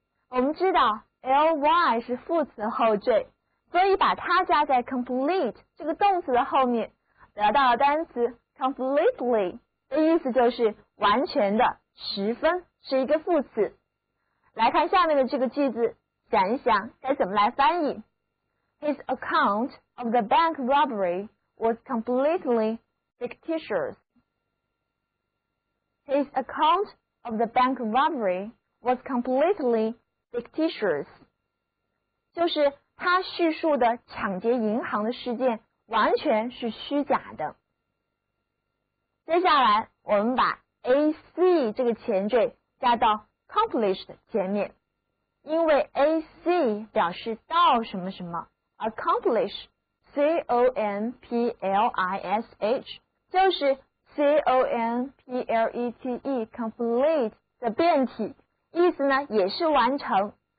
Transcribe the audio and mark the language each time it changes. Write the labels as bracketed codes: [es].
[zh] 我们知道 ly 是副词后缀，所以把它加在 complete 这个动词的后面，得到单词 completely 的意思就是完全的、十分，是一个副词。来看下面的这个句子，想一想该怎么来翻译。 [en] His account of the bank robbery was completely fictitious. His account of the bank robbery was completely fictitious. [zh] 就是他叙述的抢劫银行的事件完全是虚假的。接下来我们把 AC 这个前缀加到accomplished 前面，因为 AC 表示到什么什么， accomplish C-O-M-P-L-I-S-H 就是 C-O-M-P-L-E-T-E complete 的变体，意思呢也是完成，